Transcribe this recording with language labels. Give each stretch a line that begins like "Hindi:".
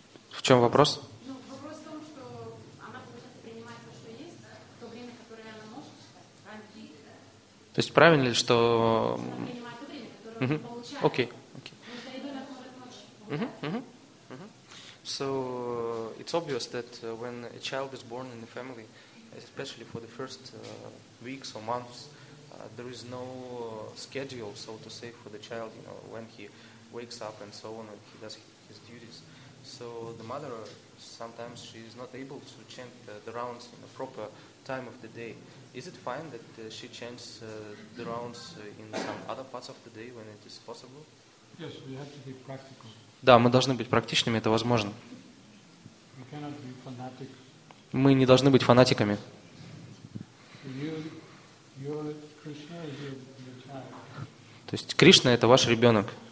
Russian: В чем вопрос? Ну, вопрос в том, что она получается принимает то, что есть, да, в то время, которое она может читать, То есть правильно ли, что... Она принимает то время, которое она получает. Окей. Потому что ребенок может ночью.
English: So, it's obvious that when a child is born in the family, especially for the first weeks or months, there is no schedule, so to say, for the child, you know, when he wakes up and so on, and he does his duties. So the mother sometimes she is not able to chant the rounds in a proper time of the day. Is it fine that she chants the rounds in some other parts of the day when it is possible? Yes, we have to be practical.
Russian: Да, мы должны быть практичными, это возможно.
English: We cannot be fanatic.
Russian: Мы не должны быть фанатиками.
English: You're Krishna, your child.
Russian: То есть Кришна это ваш ребенок.